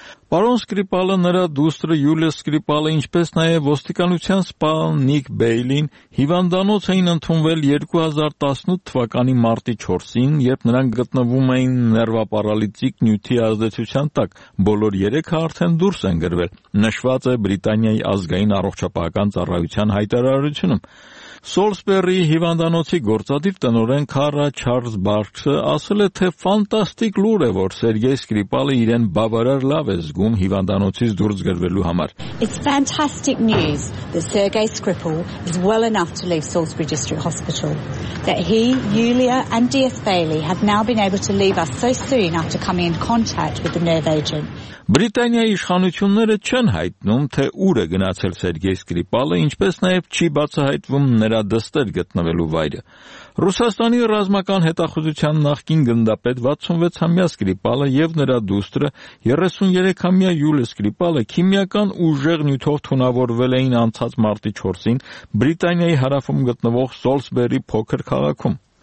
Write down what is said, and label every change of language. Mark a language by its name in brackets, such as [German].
[Armenian] Պարոն Սկրիպալը, նրա դուստրը Յուլիա Սկրիպալը, ինչպես նաև ոստիկանության սպան Նիկ Բեյլին, հիվանդանոց էին ընդունվել 2018 թվականի մարտի 4-ին, երբ նրանք գտնվում էին նրվապարալիտիկ նյութի ազդեցության տակ, բոլոր երեքը արդեն դուրս են գրվել, նշված է Բրիտանիայի ազգային առողջապահական ծառայության հայտարարությունում։ Սոլսբերի հիվանդանոցի գործադիր տնօրեն Քարա Չարլզ Բարքսը ասել է, թե ֆանտաստիկ լուր է, որ Սերգեյ Սկրիպալը իրեն բավարար լավ է զգում հիվանդանոցից դուրս գրվելու համար. [English] It's fantastic news that Sergei Skripal is well enough to leave Salisbury District Hospital. That he, Yulia and D.S. Bailey have now been able to leave us so soon after coming in contact with the nerve agent. [Armenian] Բրիտանիայի իշխանությունները չեն հայտնում, թե ուր է գնացել Սերգեյ Սկրիպալը, ինչպես նաև չի բացահայտվում նրա դստեր գտնվելու վայրը։ Ռուսաստանի ռազմական հետախուզության նախկին գնդապետ 66-ամյա Սկրիպալը և նրա դուստրը 33-ամյա Յուլի Սկրիպալը քիմիական ուժեղ նյութով թունավորվել էին անցած մարտի 4-ին Բրիտանիայի հարավում գտնվող Սոլսբերի փոքր քաղաքում։